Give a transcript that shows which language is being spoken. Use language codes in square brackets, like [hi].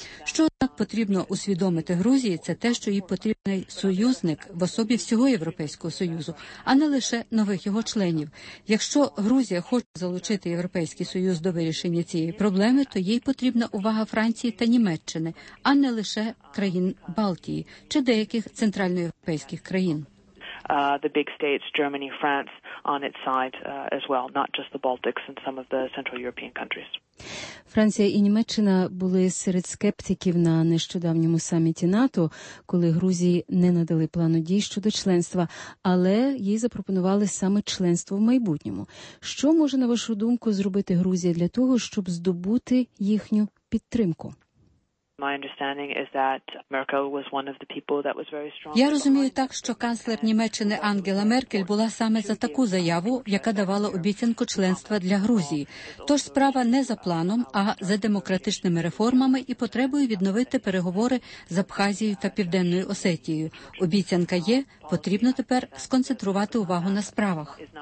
[uk] Що так потрібно усвідомити Грузії – це те, що їй потрібний союзник в особі всього Європейського Союзу, а не лише нових його членів. Якщо Грузія хоче залучити Європейський Союз до вирішення цієї проблеми, то їй потрібна увага Франції та Німеччини, а не лише країн Балтії чи деяких центральноєвропейських країн. [en] The big states, Germany, France, on its side as well, not just the Baltics and some of the Central European countries. [uk] Франція і Німеччина були серед скептиків на нещодавньому саміті НАТО, коли Грузії не надали плану дій щодо членства, але їй запропонували саме членство в майбутньому. Що може, на вашу думку, зробити Грузія для того, щоб здобути їхню підтримку? [en] My understanding is that Merkel was one of the people that was very strong. [uk] Я розумію так, що канцлер Німеччини Ангела Меркель була саме за таку заяву, яка давала обіцянку членства для Грузії. Тож справа не за планом, а за демократичними реформами і потребою відновити переговори з Абхазією та Південною Осетією. Обіцянка є, потрібно тепер сконцентрувати увагу на справах.